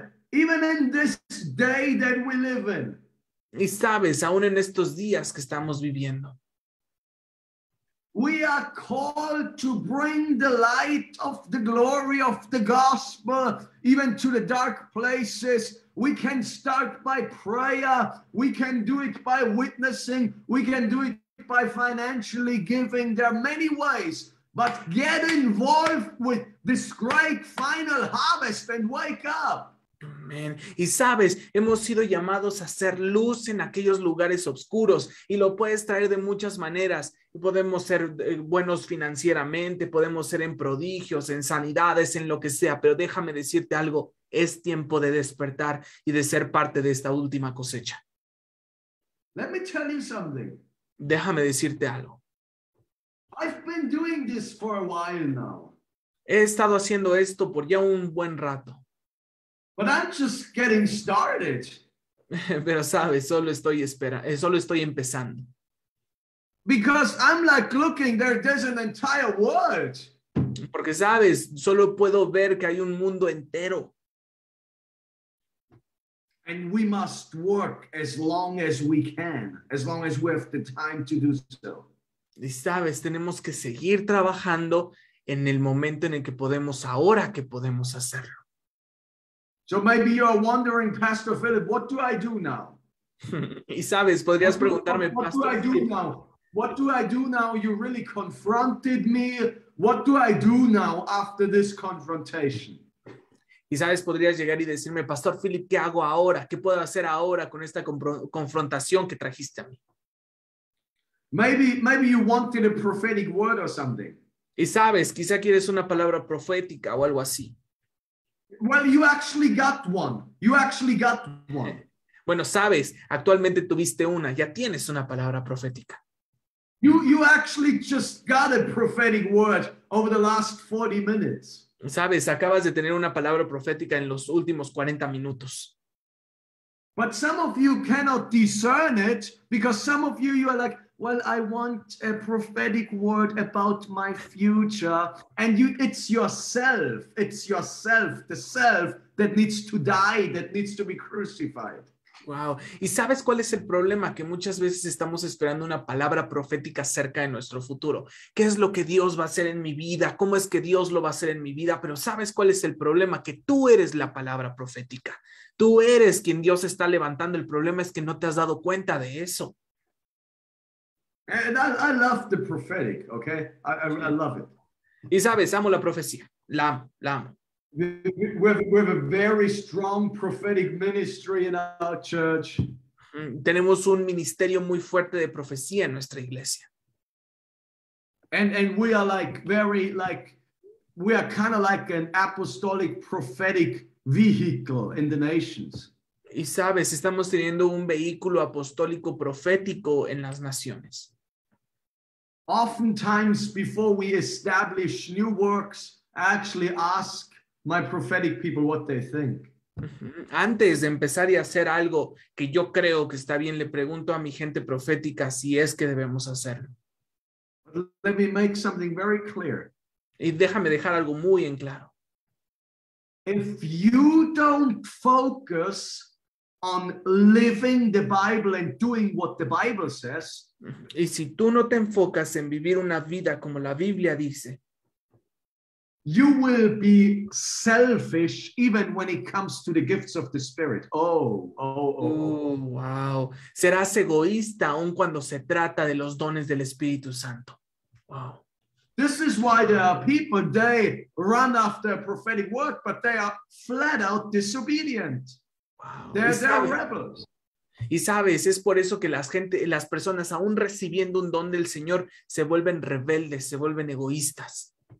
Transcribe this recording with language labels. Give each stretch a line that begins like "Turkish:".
English: Even in this day that we live in.
Spanish: Y sabes, aún en estos días que estamos viviendo.
English: We are called to bring the light of the glory of the gospel even to the dark places. We can start by prayer. We can do it by witnessing. We can do it by financially giving. There are many ways. But get involved with this great final harvest and wake up.
Spanish: Amén. Y sabes, hemos sido llamados a ser luz en aquellos lugares oscuros y lo puedes traer de muchas maneras. Podemos ser buenos financieramente, podemos ser en prodigios, en sanidades, en lo que sea, pero déjame decirte algo, es tiempo de despertar y de ser parte de esta última cosecha.
English: Let me tell you something.
Spanish: Déjame decirte algo.
English: I've been doing this for a while now.
Spanish: He estado haciendo esto por ya un buen rato.
English: But I'm just getting started.
Spanish: Pero sabes, solo estoy empezando.
English: Because I'm like looking, there's an entire world.
Spanish: Porque sabes, solo puedo ver que hay un mundo entero.
English: And we must work as long as we can, as long as we have the time to do so.
Spanish: Y sabes, tenemos que seguir trabajando en el momento en el que podemos, ahora que podemos hacerlo.
English: So maybe you are wondering, Pastor Philip, what do I do now?
Spanish: Y sabes, podrías preguntarme,
English: Pastor. What do I do now? What do I do now? You really confronted me. What do I do now after this confrontation?
Spanish: Y sabes, podrías llegar y decirme, Pastor Philip, ¿qué hago ahora? ¿Qué puedo hacer ahora con esta confrontación que trajiste a mí?
English: Maybe you wanted a prophetic word or something.
Spanish: Y sabes, quizá quieres una palabra profética o algo así.
English: Well, you actually got one. You actually got one.
Spanish: Bueno, sabes, actualmente tuviste una. Ya tienes una palabra profética.
English: You actually just got a prophetic word over the last 40 minutes.
Spanish: Sabes, acabas de tener una palabra profética en los últimos 40 minutos.
English: But some of you cannot discern it because some of you are like, well, I want a prophetic word about my future. And you, it's yourself, the self that needs to die, that needs to be crucified.
Spanish: Wow. ¿Y sabes cuál es el problema? Que muchas veces estamos esperando una palabra profética acerca de nuestro futuro. ¿Qué es lo que Dios va a hacer en mi vida? ¿Cómo es que Dios lo va a hacer en mi vida? Pero ¿sabes cuál es el problema? Que tú eres la palabra profética. Tú eres quien Dios está levantando. El problema es que no te has dado cuenta de eso.
English: And I love the prophetic, okay? I love it.
Spanish: Y sabes, amo la profecía. La amo.
English: We have a very strong prophetic ministry in our church.
Spanish: Tenemos un ministerio muy fuerte de profecía en nuestra iglesia.
English: And we are like very like, we are kind of like an apostolic prophetic vehicle in the nations.
Spanish: Y sabes, estamos teniendo un vehículo apostólico profético en las naciones.
English: Oftentimes, before we establish new works, I actually ask my prophetic people what they think.
Spanish: Antes de empezar y hacer algo que yo creo que está bien, le pregunto a mi gente profética si es que debemos hacerlo.
English: Let me make something very clear.
Spanish: Y déjame dejar algo muy en claro.
English: If you don't focus on living the Bible and doing what the Bible says,
Spanish: y si tú no te enfocas en vivir una vida como la Biblia dice,
English: you will be selfish even when it comes to the gifts of the Spirit. Oh, wow.
Spanish: Serás egoísta aun cuando se trata de los dones del Espíritu Santo.
English: Wow. This is why there are people, they run after a prophetic word, but they are flat out disobedient. Wow. They're rebels.
Spanish: Y sabes, es por eso que las personas, aún recibiendo un don del Señor, se vuelven rebeldes, se vuelven egoístas.